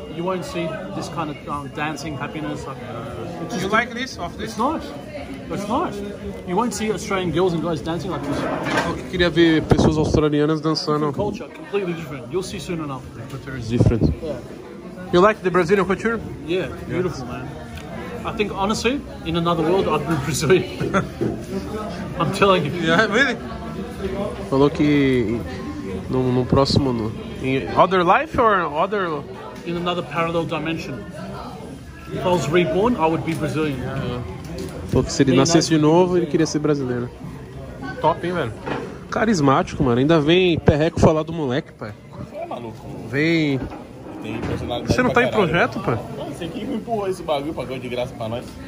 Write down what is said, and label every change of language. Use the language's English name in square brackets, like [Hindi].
[English] You won't see this kind of dancing happiness. You like this? Of this? It's nice. That's nice. You won't see Australian girls and guys dancing like this. [Portuguese] Eu queria ver pessoas australianas dançando. [English] Culture completely different. You'll see soon enough. Culture is different. Yeah. You like the Brazilian culture? Yeah, beautiful, man. I think honestly, in another world, I'd be Brazilian. I'm telling you. Yeah, really. [Portuguese] Falou que no próximo no [English] in other life or other in another parallel dimension. If I was reborn, I would be Brazilian. Yeah. [Portuguese] Falou que se ele nascesse de novo, ele queria ser brasileiro. Top, hein, velho? Carismático, mano. Ainda vem perreco falar do moleque, pai. Você é maluco, mano. Vem. Tem personalidade. Você não tá em projeto, pai? Você que me empurrou esse bagulho pra ganhar de graça pra nós.